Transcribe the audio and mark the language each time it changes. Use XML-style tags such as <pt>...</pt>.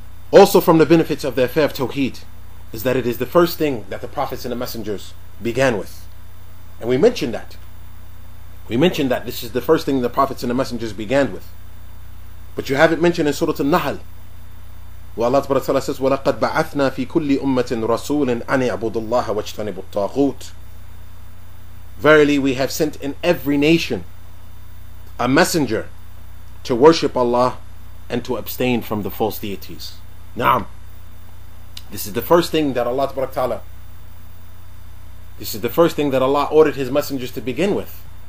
<en>Also from the benefits of the affair of Tawheed is that it is the first thing that the prophets and the messengers began with. And we mentioned that. We mentioned that this is the first thing the prophets and the messengers began with. But you have it mentioned in Surah An-Nahl. Where Allah Subhanahu wa Ta'ala says,</en> <ar>وَلَقَدْ بَعَثْنَا فِي كُلِّ أُمَّةٍ رَسُولٍ أَنِ اعْبُدُ اللَّهَ وَاجْتَنِبُوا الطَّاغُوتِ.</ar> <en>Verily, we have sent in every nation a messenger to worship Allah and to abstain from the false deities. Na'am. This is the first thing that Allah subhanahu wa ta'ala, this is the first thing that Allah ordered His messengers to begin with.</en>